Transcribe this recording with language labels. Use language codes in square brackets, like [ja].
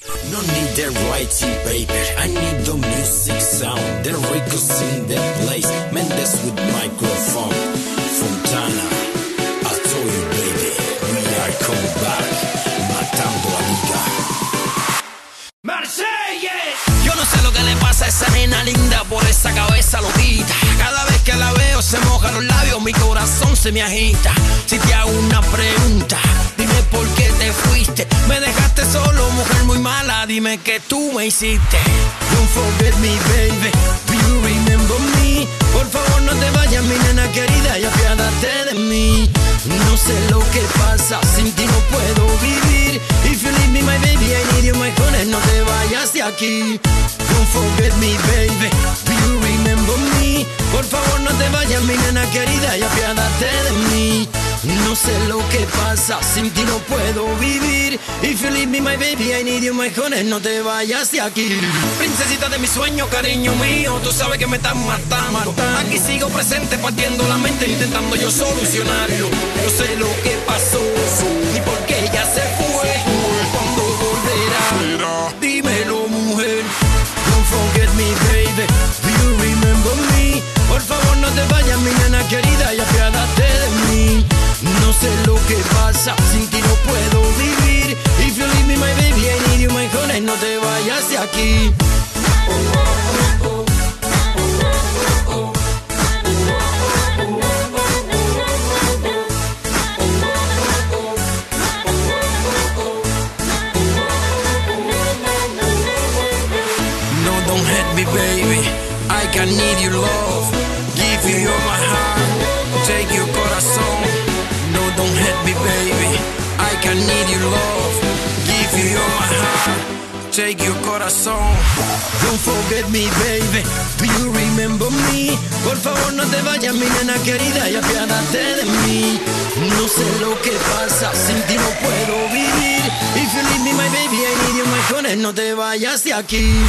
[en] No need the writing paper, I need the music sound. The records in the place, Mendes with microphone. Fontana, I told you baby, we are coming back. [es] Matando amiga Marseille. Yo no sé lo que le pasa a esa nena linda por esa cabeza lujita. Cada vez que la veo se mojan los labios, mi corazón se me agita. Si te hago una pregunta, dime por qué te fuiste. Me dejaste solo, mujer muy mala, dime qué tú me hiciste. [en] Don't forget me, baby, do you remember me? [es] Por favor no te vayas, mi nena querida, y apiádate de mí. No sé lo que pasa, sin ti no puedo vivir. [en] If you leave me, my baby, I need you, my honey, [es] no te vayas de aquí. [en] Don't forget me, baby, do you remember me? [es] Por favor no te vayas, mi nena querida, y apiádate de mí. No sé lo que pasa, sin ti no puedo vivir. [en] If you leave me, my baby, I need you, my honey, [es] no te vayas de aquí. Princesita de mi sueño, cariño mío, tú sabes que me estás matando. Aquí sigo presente, partiendo la mente, intentando yo solucionarlo. No sé lo que pasó, ni por qué ella se fue. ¿Cuándo volverá? Dímelo, mujer. [en] Don't forget me, baby, do you remember me? [es] Por favor no te vayas, mi nena querida, y apiádate de mí. No sé lo que pasa, sin ti no puedo vivir. [en] If you leave me, my baby, I need you, my honey, [es] no te vayas de aquí. [en] No, don't hurt me, baby, I can need you, love. Give you all my heart, take your corazón. Don't hurt me, baby, I can need your love. Give you all my heart, take your corazón. Don't forget me, baby, do you remember me? [es] Por favor no te vayas, mi nena querida, y apiádate de mí. No sé lo que pasa, sin ti no puedo vivir. [en] If you leave me, my baby, I need you, my honey, [es] no te vayas de aquí.